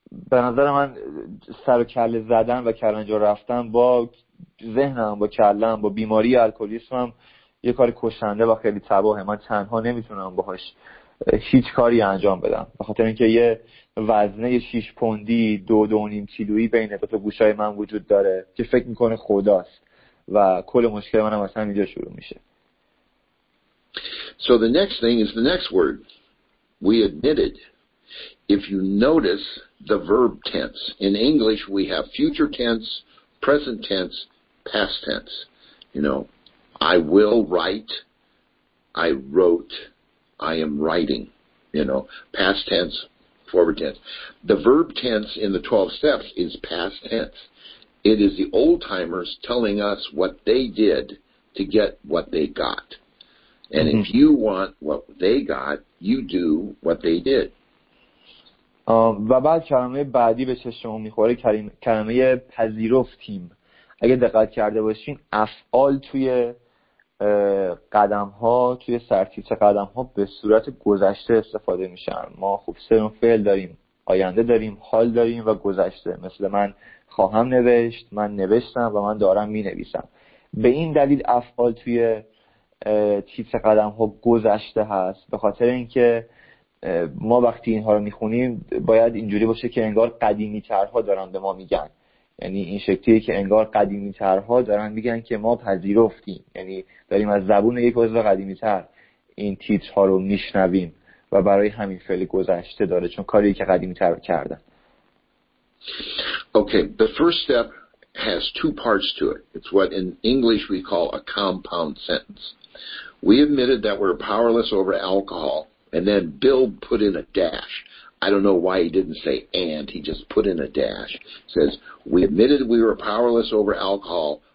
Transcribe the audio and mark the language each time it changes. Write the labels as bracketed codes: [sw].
[fa] به نظر من سر و کله زدن و کلنجا رفتن با ذهنم با کلم با بیماری الکلیسمم یه کار کشنده و خیلی تباهه. من تنها نمیتونم باهاش هیچ کاری انجام بدم بخاطر اینکه یه وزنه 6 پوندی 2-2.5 کیلویی بین دو تا گوشای من وجود داره که فکر میکنه خداست و کل مشکل منم اصلا اینجا شروع میشه. [en] So the next thing is the next word we admitted. If you notice the verb tense. In English, we have future tense, present tense, past tense. You know, I will write, I wrote, I am writing. You know, past tense, forward tense. The verb tense in the 12 steps is past tense. It is the old timers telling us what they did to get what they got. And mm-hmm. if you want what they got, you do what they did. [fa] و بعد کلمه بعدی به چشمون میخوره کلمه پذیرفتیم. اگه دقت کرده باشین افعال توی قدم ها توی سرتیپ قدم ها به صورت گذشته استفاده میشن. ما خب سه نوع فعل داریم، آینده داریم، حال داریم و گذشته. مثل من خواهم نوشت، من نوشتم و من دارم مینویسم. به این دلیل افعال توی تیپ قدم ها گذشته هست به خاطر اینکه ما وقتی اینها رو میخونیم باید اینجوری باشه که انگار قدیمی ترها دارن به ما میگن، یعنی این شکلیه که انگار قدیمی ترها دارن میگن که ما پذیرفتیم، یعنی داریم از زبون یک عضو قدیمی تر این تیترها رو میشنویم و برای همین فعل گذشته داره چون کاری که قدیمی تر کردن. [en] Okay, the first step has two parts to it. It's what in English we call a compound sentence. We admitted that we're powerless over alcohol. And then Bill put in a dash. I don't know why he didn't say and. He just put in a dash. It says, we admitted we were powerless over alcohol.